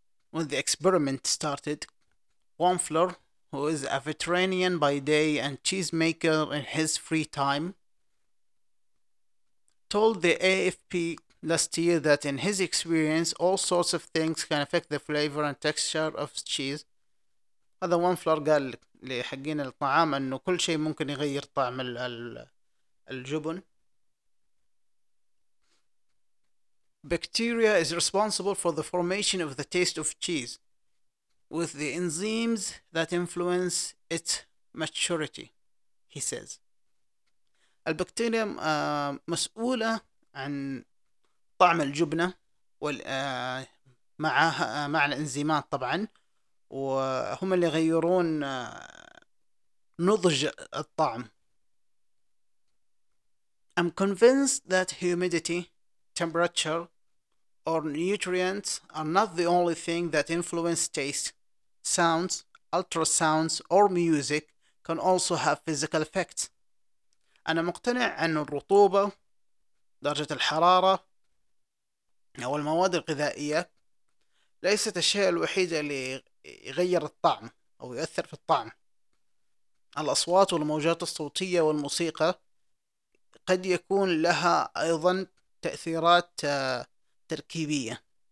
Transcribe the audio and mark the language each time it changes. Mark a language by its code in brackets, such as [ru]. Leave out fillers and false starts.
[en] When the experiment started, Wanfler, who is a veterinarian by day and cheese maker in his free time, told the AFP last year that in his experience, all sorts of things can affect the flavor and texture of cheese. [ar] هذا وانفلر قال لحقين الطعام أنه كل شيء ممكن يغير طعم الجبن. [en] Bacteria is responsible for the formation of the taste of cheese with the enzymes that influence its maturity, he says. [ar] البكتيريا مسؤولة عن طعم الجبنة مع الإنزيمات طبعاً، وهم اللي يغيرون نضج الطعم. [en] I'm convinced that humidity, temperature, or nutrients are not the only thing that influence taste. Sounds, ultrasounds, or music can also have physical effects. [ar] أنا مقتنع أن الرطوبة، درجة الحرارة، أو المواد الغذائية ليست الشيء الوحيد اللي يغير الطعم أو يؤثر في الطعم. الأصوات والموجات الصوتية والموسيقى قد يكون لها أيضا تأثيرات تركيبية.